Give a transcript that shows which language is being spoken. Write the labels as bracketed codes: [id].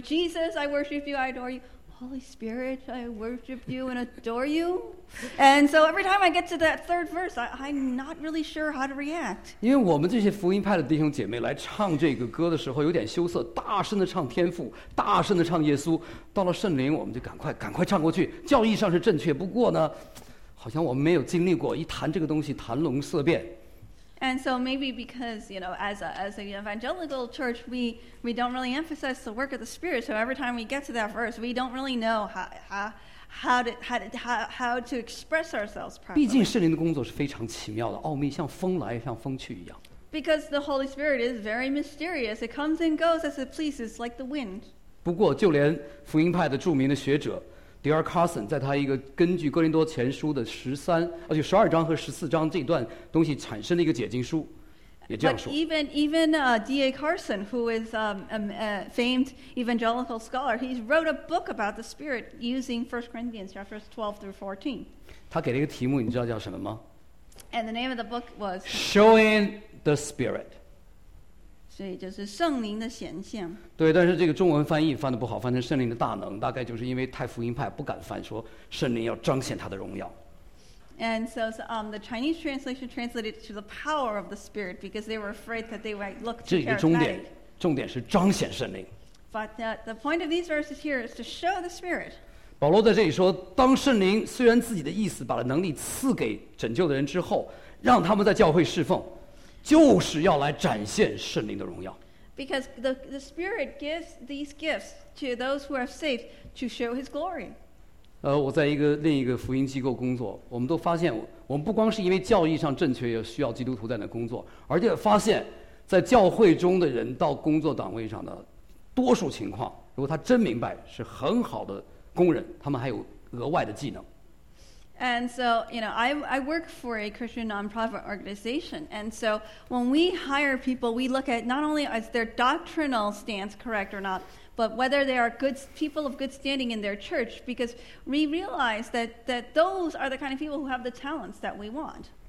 [en] Jesus, I worship you, I adore you. Holy Spirit, I worship you and adore you. And so every time I get to that third verse, I'm not really sure how to react. [zh] 因为我们这些福音派的弟兄姐妹来唱这个歌的时候有点羞涩，大声的唱天父，大声的唱耶稣，到了圣灵我们就赶快唱过去，教义上是正确，不过呢好像我们没有经历过，一谈这个东西谈龙色变。 [en] And so maybe because, you know, as an evangelical church, we don't really emphasize the work of the Spirit. So every time we get to that verse, we don't really know how to express ourselves properly. [zh] 毕竟圣灵的工作是非常奇妙的，奥秘像风来，像风去一样。 [en] Because the Holy Spirit is very mysterious. It comes and goes as it pleases, like the wind. [zh] 不过就连福音派的著名的学者D.R. Carson 在他一个根据哥林多前书的12章和14章这段东西产生的一个解经书，也这样说。 [en] Even D.A. Carson, who is a famed evangelical scholar, he wrote a book about the Spirit using 1 Corinthians chapters 12 through 14. [zh] 他给了一个题目，你知道叫什么吗 [en] ？And the name of the book was Showing the Spirit. [zh] 所以就是圣灵的显现。对，但是这个中文翻译翻得不好，翻成圣灵的大能，大概就是因为太福音派不敢翻说圣灵要彰显他的荣耀。 [en] And so, the Chinese translation translated to the power of the Spirit because they were afraid that they might look too charismatic. [zh] 这里的重点是彰显圣灵。 [en] But the point of these verses here is to show the Spirit. [zh] 保罗在这里说，当圣灵虽然自己的意思把能力赐给拯救的人之后，让他们在教会侍奉，就是要来展现圣灵的荣耀。 [en] Because the Spirit gives these gifts to those who are saved to show His glory. [zh] 我在另一个福音机构工作，我们都发现，我们不光是因为教义上正确，也需要基督徒在那工作，而且发现，在教会中的人到工作岗位上的多数情况，如果他真明白，是很好的工人，他们还有额外的技能。 [en] And so, you know, I work for a Christian nonprofit organization. And so when we hire people, we look at not only is their doctrinal stance correct or not, but whether they are good people of good standing in their church, because we realize that those are the kind of people who have the talents that we want.